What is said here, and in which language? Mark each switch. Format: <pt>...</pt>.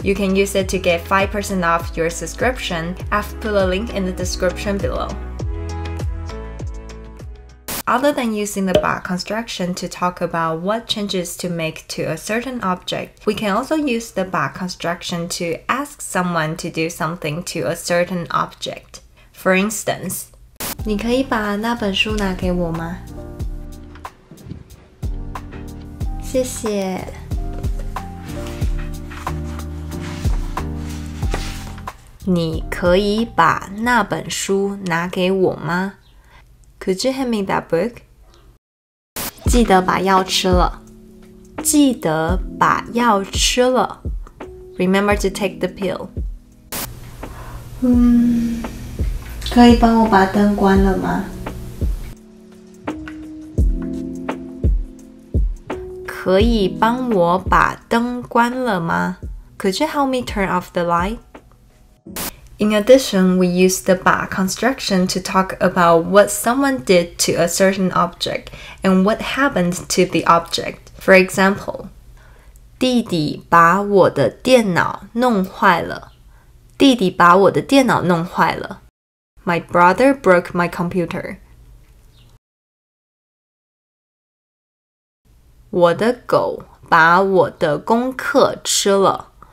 <en>You can use it to get 5% off your subscription. I've put a link in the description below. Other than using the ba construction to talk about what changes to make to a certain object, we can also use the ba construction to ask someone to do something to a certain object. For instance,</en> <zh>你可以把那本书拿给我吗？谢谢。你可以把那本书拿给我吗？</zh> <en>Could you hand me that book?</en> <zh>记得把药吃了。记得把药吃了。</zh> <en>Remember to take the pill.</en> <zh>可以帮我把灯关了吗？可以帮我把灯关了吗？</zh> <en>Could you help me turn off the light? In addition, we use the ba construction to talk about what someone did to a certain object and what happened to the object. For example,</en> <zh>弟弟把我的电脑弄坏了。弟弟把我的电脑弄坏了。</zh> <en>My brother broke my computer.</en> <zh>我的狗把我的功课吃了。</zh>